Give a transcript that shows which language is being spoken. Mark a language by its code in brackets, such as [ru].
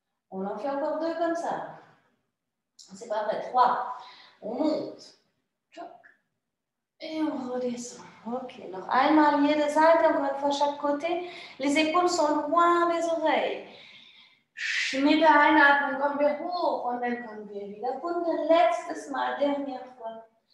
[fr] On en fait encore deux comme ça. C'est pas vrai. Trois. On monte. Et on redescend. Ok. [de] Noch einmal jede Seite, [fr] encore une fois chaque côté. Les épaules sont loin des oreilles. [de] Mit der Einatmung kommen wir hoch und dann kommen wir wieder runter. Letztes Mal, [fr] dernière fois.